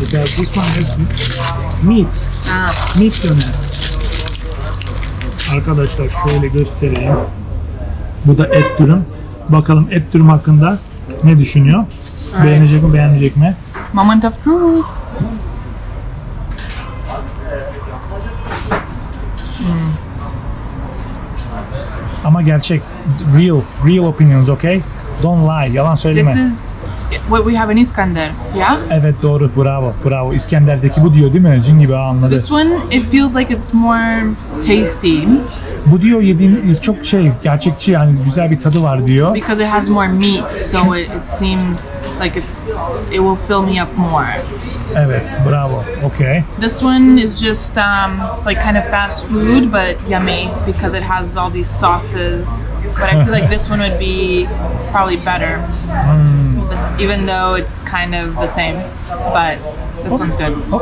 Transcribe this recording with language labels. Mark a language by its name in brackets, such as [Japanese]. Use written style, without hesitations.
[English] Because this one is meat. Meat döner. [Turkish] Arkadaşlar şöyle göstereyim. Bu da et dürüm. Bakalım et dürüm hakkında ne düşünüyor? Evet. Beğenecek mi, beğenmeyecek mi? [English] Moment of truth. [Turkish] Ama gerçek, [English] real opinions, okay? Don't lie, [Turkish] yalan söyleme. [English] This is what we have in İskender, yeah? [Turkish] Evet, doğru, bravo. İskender'deki bu diyor değil mi? Cin gibi, anladı. [English] This one, it feels like it's more tasty. [Turkish] Bu diyor yediğiniz çok şey, gerçekçi yani, güzel bir tadı var diyor. [English] Because it has more meat, so it seems like it will fill me up more. [Turkish] Evet, bravo, okay. [English] This one is just, it's like kind of fast food, but yummy, because it has all these sauces. But I feel like this one would be probably better. Even though it's kind of the same, but this one's good.